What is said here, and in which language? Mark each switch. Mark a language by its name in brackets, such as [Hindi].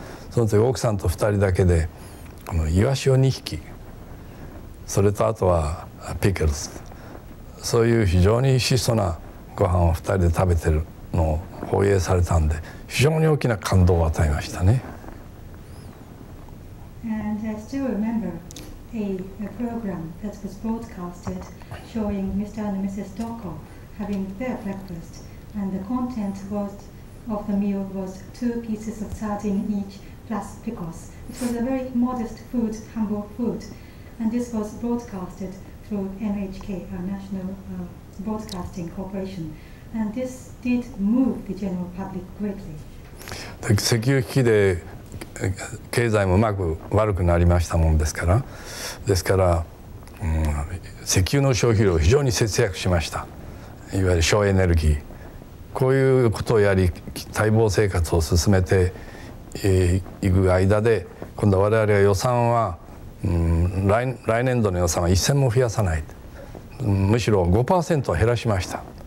[Japanese] その時奥さんと2人だけで、このイワシを2匹、それとあとはピクルス、そういう非常に質素なご飯を2人で食べてるのを放映されたんで、非常に大きな感動を与えましたね。 [English] And I still remember a program that was broadcasted showing Mr. and Mrs. Doko having their breakfast, and the content was of the meal was two pieces of sardine each plus pickles. It was a very modest food, humble food, and this was broadcasted through NHK, our National Broadcasting Corporation, and this did move the general public greatly. [Japanese] 石油危機で経済もうまく悪くなりましたもんですから、ですから、石油の消費量を非常に節約しました。いわゆる省エネルギー、こういうことをやり、待望生活を進めてい、く間で、今度は我々は予算は、来年度の予算は1000も増やさない、むしろ 5% 減らしました。